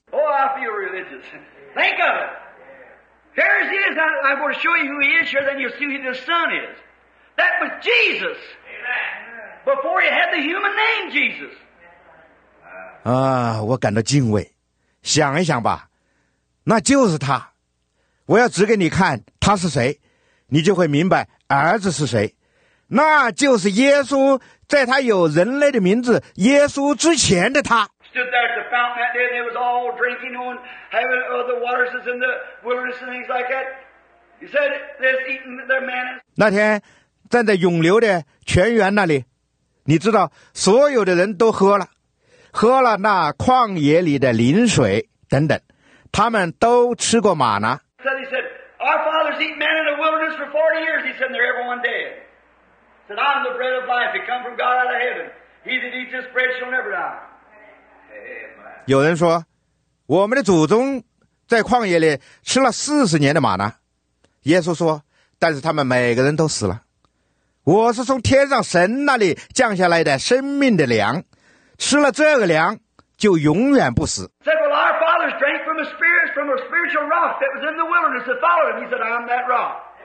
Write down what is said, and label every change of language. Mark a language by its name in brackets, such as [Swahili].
[English] Oh, I feel religious. Think of it. Here he is. I'm going to show you who he is. Here, then you'll see who the Son is. That was Jesus. Amen. Before he had the human name Jesus. [Chinese] 啊，我感到敬畏。想一想吧，那就是他。我要指给你看他是谁，你就会明白儿子是谁。那就是耶稣，在他有人类的名字耶稣之前的他。 [English] Stood there at the fountain that day, and they was all drinking, you know, and having other waters in the wilderness and things like that. He said they're eating their manna. [Chinese] 那天站在永流的泉源那里，你知道所有的人都喝了。喝了那旷野里的灵水等等，他们都吃过玛拿。 [English] Said, he said, "Our fathers eat manna in the wilderness for 40 years." He said, "They're everyone dead." He said, "I'm the bread of life. It come from God out of heaven. He that eats this bread shall never die." Amen. [Chinese] 有人说，我们的祖宗在旷野里吃了40年的玛拿。耶稣说，但是他们每个人都死了。我是从天上神那里降下来的生命的粮。吃了这个粮就永远不死。 [English] Said, "Well, our fathers drank from a spirit, from a spiritual rock that was in the wilderness that followed him." He said, "I'm that rock."